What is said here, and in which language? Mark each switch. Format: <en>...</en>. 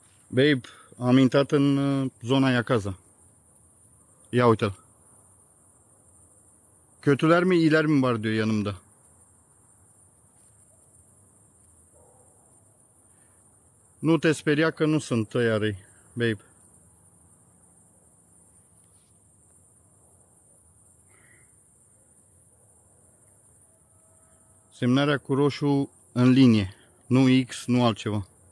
<ro>Babe, am intrat în zona Yakaza. Ia uite-l.</ro> <tr>Kötüler mi, iyiler mi var diyor yanımda.</tr> <ro>Nu te speria că nu sunt ăia răi, babe. Semnarea cu roșu în linie, nu X, nu altceva.</ro>